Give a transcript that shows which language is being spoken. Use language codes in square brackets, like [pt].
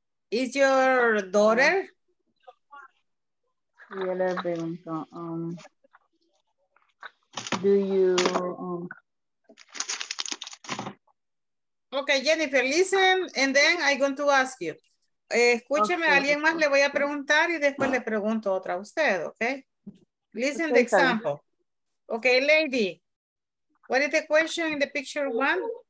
[en] Is your daughter? [es] Yo le pregunto, [en] do you? Okay, Jennifer, listen, and then I'm going to ask you. [es] Escúcheme, okay. Alguien más le voy a preguntar y después le pregunto otra a usted, okay? [en] Listen to the example. Okay, lady, what is the question in the picture one?